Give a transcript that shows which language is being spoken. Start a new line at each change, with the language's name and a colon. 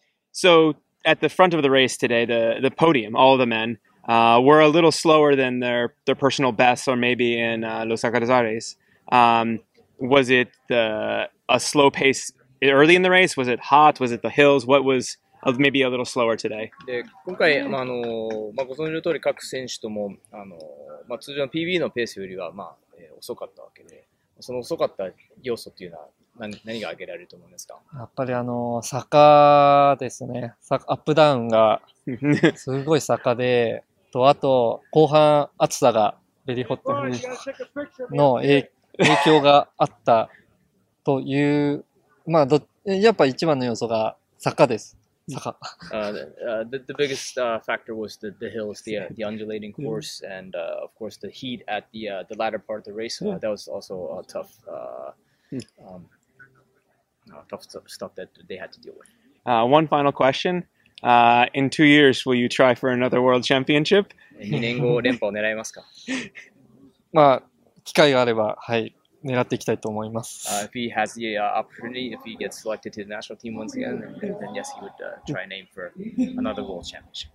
English: So at the front of the race today, the podium, all the men were a little slower than their personal bests, or maybe in Los Alcázares. Was it a slow pace early in the race? Was it hot? Was it the hills? What was maybe a little slower today?
Japanese: で、今回、まあ、あの、まあ、ご存知の通り各選手とも、あの、まあ、通常の PB のペースよりは、まあ、遅かったわけで、その遅かった要素っていうのは 何が挙げられると思いますか？やっぱりあの、坂ですね。アップダウンがすごい坂で、とあと、後半暑さがベリーホットの影響があったという、まあ、やっぱ一番の要素が坂です。
English: The biggest factor was the hills, the undulating course, and of course the heat at the latter part of the race. That was also a tough stuff that they had to deal with. One final question: in 2 years, will you try for another world championship?
Japanese: 2年後連覇を狙いますか？まあ、機会があれば、はい。狙っていきたいと思います。
English: If he has the opportunity, if he gets selected to the national team once again, then yes, he would try and aim for another world championship.